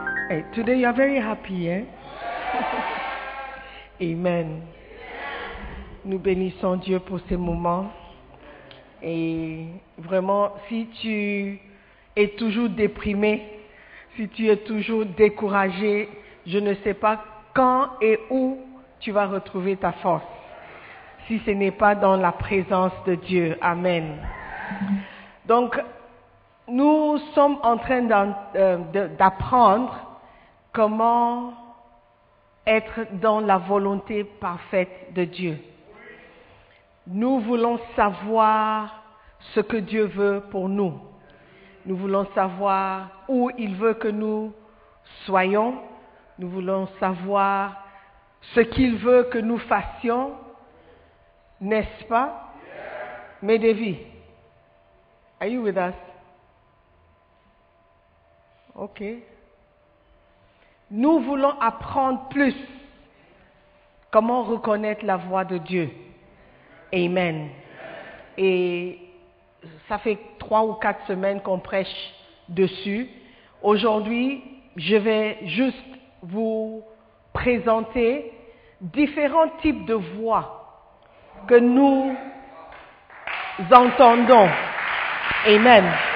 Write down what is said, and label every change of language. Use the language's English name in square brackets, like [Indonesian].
[English] Hey, today you are very happy, hein? Amen. [French] Nous bénissons Dieu pour ces moments. Et vraiment, si tu es toujours déprimé, si tu es toujours découragé, je ne sais pas quand et où tu vas retrouver ta force, si ce n'est pas dans la présence de Dieu. Amen. Donc, nous sommes en train d'apprendre comment être dans la volonté parfaite de Dieu. Nous voulons savoir ce que Dieu veut pour nous. Nous voulons savoir où il veut que nous soyons. Nous voulons savoir ce qu'il veut que nous fassions. N'est-ce pas? Yeah. Mais [English] Devi, are you with us? Ok. [French] Nous voulons apprendre plus comment reconnaître la voix de Dieu. Amen. Et ça fait 3 ou 4 semaines qu'on prêche dessus. Aujourd'hui, je vais juste vous présenter différents types de voix que nous entendons. Amen.